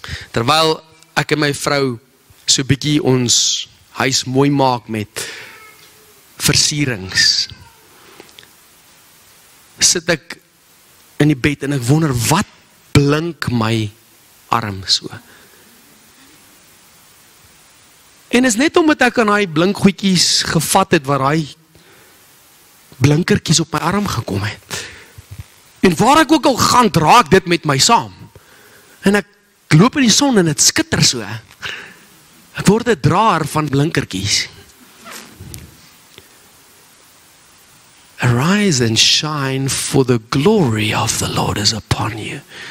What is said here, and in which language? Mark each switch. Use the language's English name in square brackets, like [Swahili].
[Afrikaans] Terwyl ek en my vrou so bietjie ons huis mooi maak met versierings, sit ek in die bed en ek wonder wat blink my arm so. En is net omdat ek aan daai blink goedjies gevat het waar daai blinkertjies op my arm gekom het. En waar ek ook al gaan, draak dit met my saam. En ek loop in die son en het skitter so. Ek word 'n draer van blinkertjies. [English] Arise and shine for the glory of the Lord is upon you.